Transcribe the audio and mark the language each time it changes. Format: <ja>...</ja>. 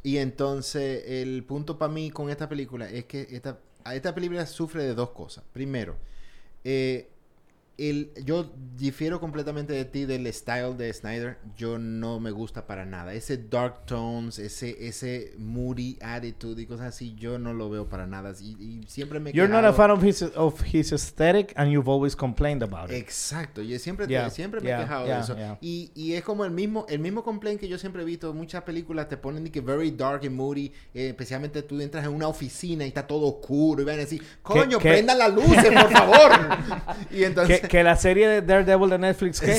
<es>Y entonces, el punto para mí con esta película es que esta película sufre de dos cosas. Primero, yo difiero completamente de ti del style de Snyder. Yo no me gusta para nada. Ese dark tones, ese moody attitude y cosas así, yo no lo veo para nada. Y siempre me he</es> <en>You're</en> <es>quedado...</es> <en>not a fan of his aesthetic and you've always complained about it.</en> <es>Exacto. Yo siempre me he quejado de eso. Yeah. Y es como el mismo complaint que yo siempre he visto. Muchas películas te ponen que</es> <en>very dark and moody.</en> <es>Especialmente tú entras en una oficina y está todo oscuro. Y van a decir, coño, prendan las luces, por favor. Y entonces... Que la serie de Daredevil de Netflix, ¿qué?</es>